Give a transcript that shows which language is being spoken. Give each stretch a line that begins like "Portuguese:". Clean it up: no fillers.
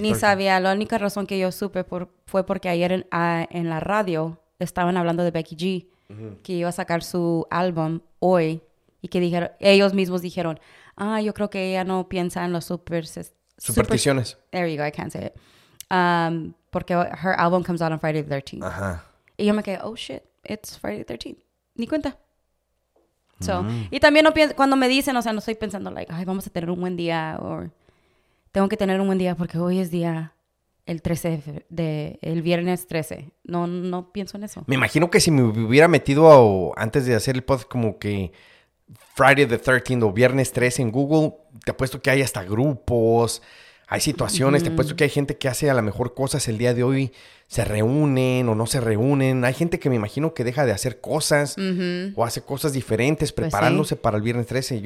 Spanish: 13th. Ni sabía. La única razón que yo supe fue porque ayer en la radio estaban hablando de Becky G, que iba a sacar su álbum hoy, y que ellos mismos dijeron, ah, yo creo que ella no piensa en los supersticiones.
English: There you go, I can't say it. Porque her album comes out on Friday the 13th.
Spanish: Ajá. Y yo me quedé,
English: oh shit, it's Friday the 13th.
Spanish: Ni cuenta. So, y también no pienso, cuando me dicen, o sea, no estoy pensando like, ay, vamos a tener un buen día, o tengo que tener un buen día porque hoy es día el 13 de el viernes 13. No pienso en eso. Me imagino que si me hubiera metido antes de hacer el podcast como que Friday the 13th o viernes 13 en Google, te apuesto que hay hasta grupos, hay situaciones, te apuesto que hay gente que hace a lo mejor cosas el día de hoy, se reúnen o no se reúnen, hay gente que me imagino que deja de hacer cosas o hace cosas diferentes preparándose para el viernes 13.